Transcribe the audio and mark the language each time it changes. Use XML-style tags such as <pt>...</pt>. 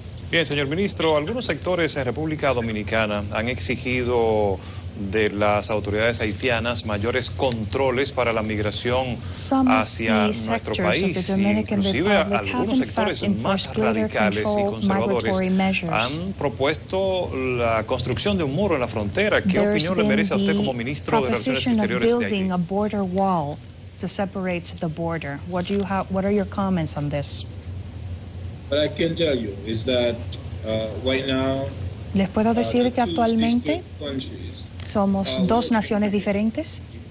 <es>Bien, señor ministro, algunos sectores en República Dominicana han exigido de las autoridades haitianas mayores controles para la migración hacia nuestro país. Inclusive algunos sectores más radicales y conservadores han propuesto la construcción de un muro en la frontera. ¿Qué opinión le merece a usted como ministro de Relaciones Exteriores de Haití?</es> <en>What do you have, what are your comments on this? What I can tell you is that right now,</en> <es>les puedo decir que actualmente somos dos naciones diferentes.</es>